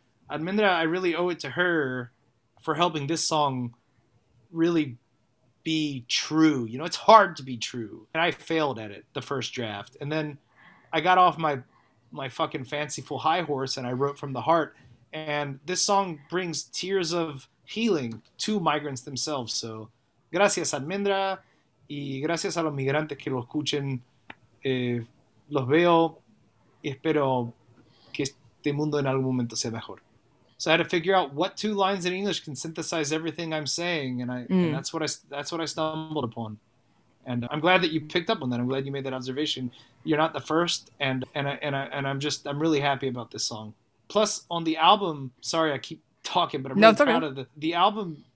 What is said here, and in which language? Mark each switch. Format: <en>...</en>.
<en>And Almendra, I really owe it to her for helping this song really be true. You know, it's hard to be true. And I failed at it, the first draft. And then I got off my fucking fanciful high horse and I wrote from the heart. And this song brings tears of healing to migrants themselves.</en> <es>So gracias, Almendra, y gracias a los migrantes que lo escuchen. Los veo y espero que este mundo en algún momento sea mejor.</es> <en>So I had to figure out what two lines in English can synthesize everything I'm saying. And that's what I stumbled upon. And I'm glad that you picked up on that. I'm glad you made that observation. You're not the first. And I'm really happy about this song. Plus on the album, sorry, I keep talking, but I'm really proud of the album.</en>